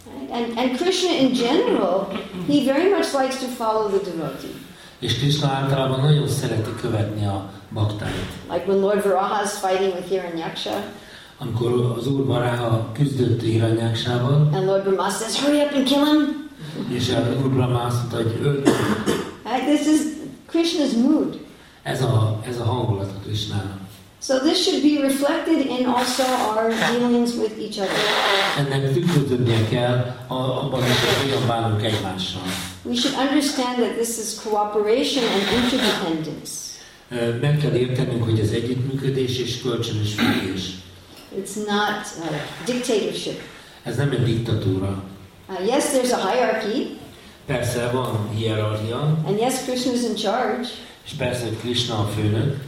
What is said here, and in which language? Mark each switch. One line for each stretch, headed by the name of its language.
English: And Krishna in general, he very much likes to follow the devotee.
Hungarian: És Krishna általában nagyon szereti követni a baktáit.
English: Like when Lord Varaha is fighting with Hiranyaksha.
Hungarian: Amikor az Úr Varaha küzdött Hiranyaksával.
English: And Lord Brahma says, hurry up and kill him.
Hungarian: És az Úr Brahma azt mondta, hogy ő.
English: This is Krishna's mood.
Hungarian: Ez a hangulat a Krishnának.
English: So this should be reflected in also our dealings with each other.
Hungarian: Ennek tükröződnie kell abban is, hogy hogyan bánunk egymással.
English: We should understand that this is cooperation and interdependence.
Hungarian: Meg kell értenünk, hogy ez együttműködés és kölcsönös függés.
English: It's not a dictatorship.
Hungarian: Ez nem egy diktatúra.
English: Yes, there's a hierarchy.
Hungarian: Persze, van hierarchia.
English: And yes, Krishna is in charge.
Hungarian: És persze, Krishna a főnök.